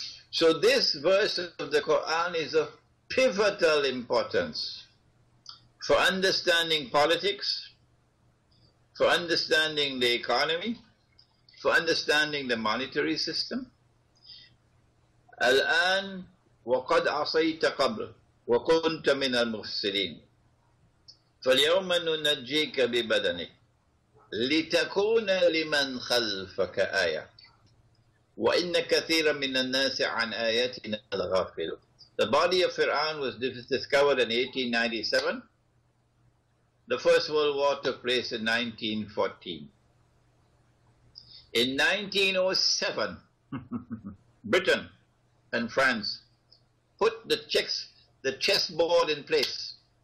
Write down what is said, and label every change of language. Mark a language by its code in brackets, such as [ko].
[en] So this verse of the Quran is of pivotal importance for understanding politics, for understanding the economy, for understanding the monetary system. [ar] الآن وقد عصيت قبل وكنت من المفسدين فاليوم ننجيك ببدنك لتكون لمن خلفك آية وَإِنَّ كَثِيرًا مِنَ النَّاسِ عَنْ آيَاتِنَا الْغَافِلُ. [en] The body of Fir'aun was discovered in 1897. The First World War took place in 1914. In 1907, Britain and France put the chessboard in place.